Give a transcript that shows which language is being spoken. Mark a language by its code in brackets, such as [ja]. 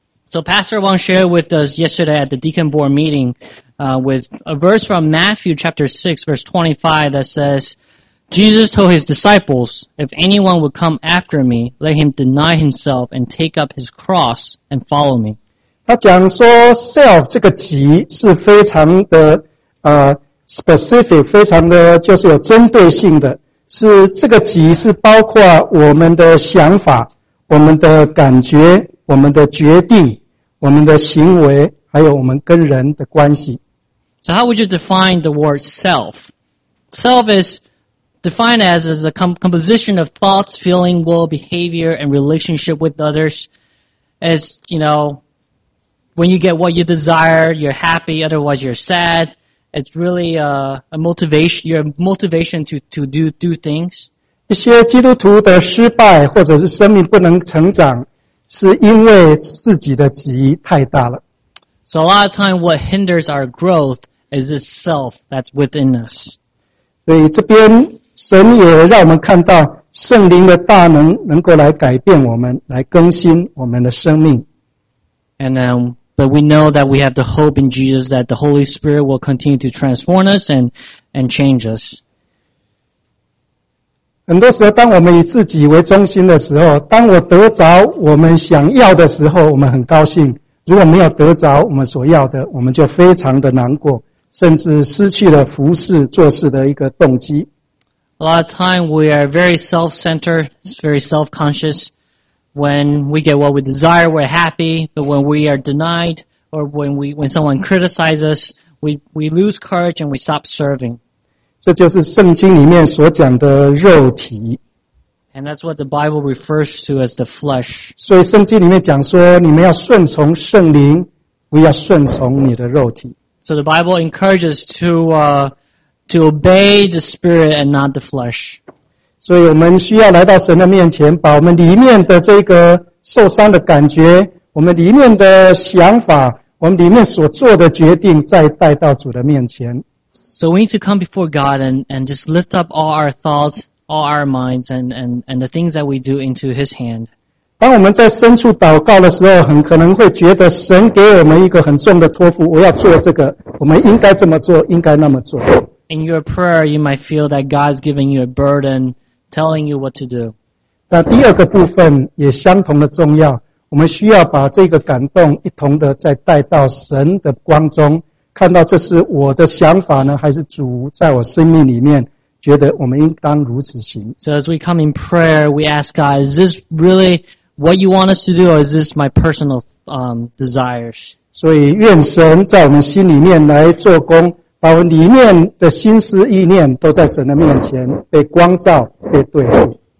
[en] So Pastor Wang shared with us yesterday at the Deacon Board meeting, with a verse from Matthew chapter 6 verse 25 that says, Jesus told his disciples, if anyone would come after me, let him deny himself and take up his cross and follow me. [zh] 他讲说 self 这个己是非常的specific, 非常的就是有针对性的，是这个己是包括我们的想法，我们的感觉，我们的决定，我们的行为，还有我们跟人的关系。 [en] So how would you define the word self? Self is defined as a composition of thoughts, feeling, will, behavior, and relationship with others. As, you know, when you get what you desire, you're happy, otherwise you're sad. It's really a motivation to do things. [zh] 一些基督徒的失败或者是生命不能成长是因为自己的己太大了。 [en] So a lot of time what hinders our growth is this self that's within us. [zh] 所以这边神也让我们看到圣灵的大能能够来改变我们，来更新我们的生命。 [en] And then, but we know that we have the hope in Jesus that the Holy Spirit will continue to transform us and change us. [zh] 很多时候当我们以自己为中心的时候，当我得着我们想要的时候，我们很高兴，如果没有得着我们所要的，我们就非常的难过，甚至失去了服事做事的一个动机。 [en] A lot of time we are very self-centered, very self-conscious. When we get what we desire, we're happy. But when we are denied, or when someone criticizes us, we lose courage and we stop serving. [zh] 这就是圣经里面所讲的肉体。 [en] And that's what the Bible refers to as the flesh. [zh] 所以圣经里面讲说，你们要顺从圣灵，不要顺从你的肉体。 [en] So the Bible encourages to obey the spirit and not the flesh. [zh] 所以我们需要来到神的面前，把我们里面的这个受伤的感觉，我们里面的想法，我们里面所做的决定，再带到主的面前。 [en] So we need to come before God and just lift up all our thoughts, all our minds, and the things that we do into His hand. [zh] 当我们在深处祷告的时候，很可能会觉得神给我们一个很重的托付，我要做这个，我们应该这么做，应该那么做。 [en] In your prayer, you might feel that God is giving you a burden, telling you what to do. [zh] 那第二个部分也相同的重要，我们需要把这个感动一同的再带到神的光中，看到这是我的想法呢，还是主在我生命里面觉得我们应当如此行。 [en] So as we come in prayer, we ask God, is this really what you want us to do, or is this my personal desires? [zh] 所以愿神在我们心里面来做工，把我里面的心思意念都在神的面前被光照被对付。